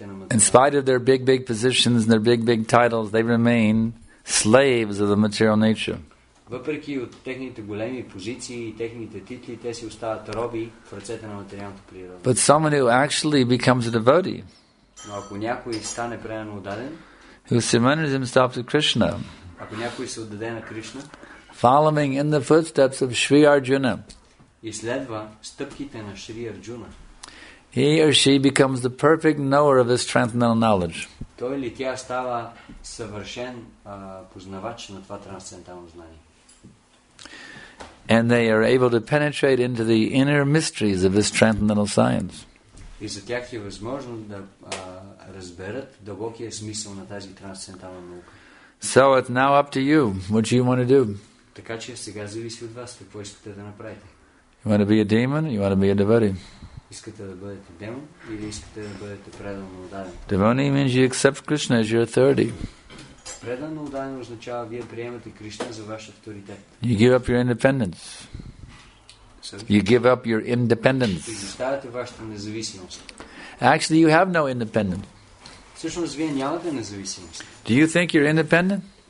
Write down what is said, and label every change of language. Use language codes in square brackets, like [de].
[en] In spite of their big, big positions and their big, big titles, they remain slaves of the material nature. [bg] Въпреки от техните големи позиции и техните титли, те си остават роби в ръцете на материалната природа. [en] But someone who actually becomes a devotee. [bg] Но ако някой стане преданно отдаден, [en] who surrenders himself to Krishna, [bg] ако някой се отдаде на Кришна, [en] following in the footsteps of Shri Arjuna, [bg] и следва стъпките на Шри Арджуна, [en] he or she becomes the perfect knower of his transcendental knowledge. [bg] Той или тя става съвършен познавач на това трансцендентално знание. [en] And they are able to penetrate into the inner mysteries of this transcendental science. [bg] И за тях е възможно да разберат дълбокия смисъл на тази трансцендентална наука. [en] So it's now up to you. What do you want to do? [bg] Така че сега зависи от вас какво искате да направите. [en] You want to be a demon or you want to be a devotee? [bg] Искате да бъдете демон или искате да бъдете преданно отдаден? [en] Devotee means you accept Krishna as your authority. [bg] Преданно отдаден означава вие приемате Кришна за ваш авторитет. [en] You give up your independence. You give up your independence. Actually, you have no independence. Do you think you're independent?